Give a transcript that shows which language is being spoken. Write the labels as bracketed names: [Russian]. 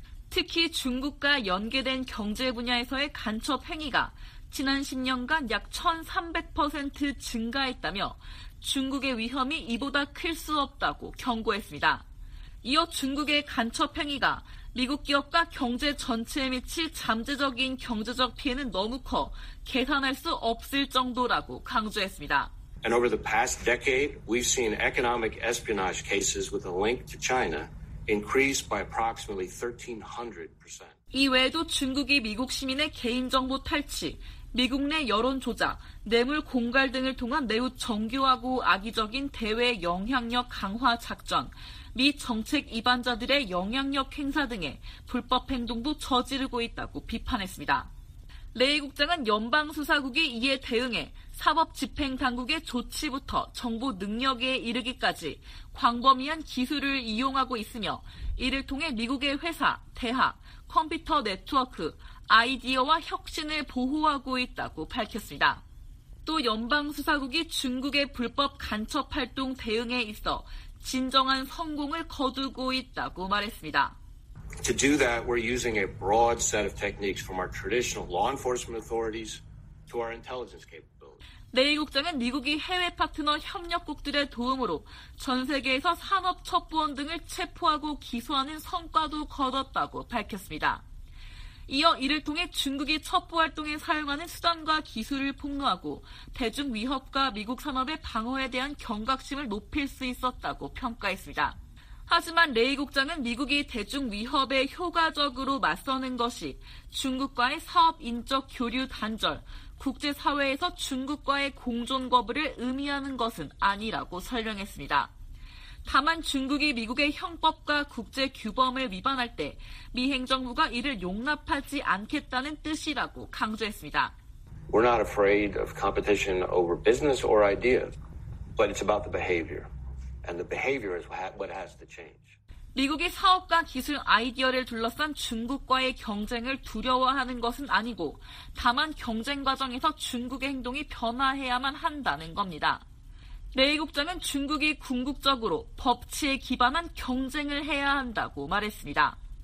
[Korean] 특히 중국과 연계된 경제 분야에서의 간첩 행위가 지난 10년간 약 1300% 증가했다며 중국의 위험이 이보다 클 수 없다고 경고했습니다. 이어 중국의 간첩 행위가 미국 기업과 경제 전체에 미칠 잠재적인 경제적 피해는 너무 커 계산할 수 없을 정도라고 강조했습니다. [English] And over the past decade, we've seen economic espionage cases with a link to China increase by approximately 1300%. [Korean] 이외에도 중국이 미국 시민의 개인정보 탈취, 미국 내 여론 조작, 뇌물 공갈 등을 통한 매우 정교하고 악의적인 대외 영향력 강화 작전, 미 정책 이반자들의 영향력 행사 등의 불법 행동도 저지르고 있다고 비판했습니다. 레이 국장은 연방수사국이 이에 대응해 사법집행당국의 조치부터 정부 능력에 이르기까지 광범위한 기술을 이용하고 있으며 이를 통해 미국의 회사, 대학, 컴퓨터 네트워크, 아이디어와 혁신을 보호하고 있다고 밝혔습니다. 또 연방수사국이 중국의 불법 간첩 활동 대응에 있어 진정한 성공을 거두고 있다고 말했습니다. [English] To do that, we're using a broad set of techniques from our traditional law enforcement authorities to our intelligence capabilities. [Korean] 레이 국장은 미국이 해외 파트너 협력국들의 도움으로 전 세계에서 산업 첩보원 등을 체포하고 기소하는 성과도 거뒀다고 밝혔습니다. 이어 이를 통해 중국이 첩보 활동에 사용하는 수단과 기술을 폭로하고 대중 위협과 미국 산업의 방어에 대한 경각심을 높일 수 있었다고 평가했습니다. 하지만 레이 국장은 미국이 대중 위협에 효과적으로 맞서는 것이 중국과의 사업 인적 교류 단절, 국제사회에서 중국과의 공존 거부를 의미하는 것은 아니라고 설명했습니다. 다만 중국이 미국의 형법과 국제 규범을 위반할 때 미 행정부가 이를 용납하지 않겠다는 뜻이라고 강조했습니다. [English] We're not afraid of competition over business or ideas, but it's about the behavior. And the behavior is what has to change. [Korean] 미국이 사업과 기술 아이디어를 둘러싼 중국과의 경쟁을 두려워하는 것은 아니고 다만 경쟁 과정에서 중국의 행동이 변화해야만 한다는 겁니다. 레이 국장은 중국이 궁극적으로 법치에 기반한 경쟁을 해야 한다고 말했습니다.